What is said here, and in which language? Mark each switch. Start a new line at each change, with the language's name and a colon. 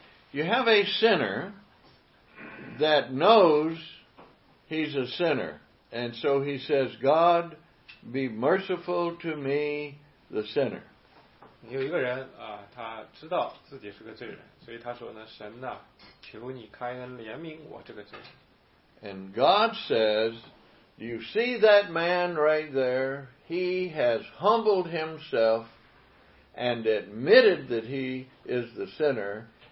English: You have a sinner that knows he's a sinner. And so he says, God, be merciful to me, the sinner.
Chinese: 你有一个人啊，他知道自己是个罪人，所以他说呢，神呐，求你开恩怜悯我这个罪人。
English: And God says, you see that man right there? He has humbled himself and admitted that he is the sinner.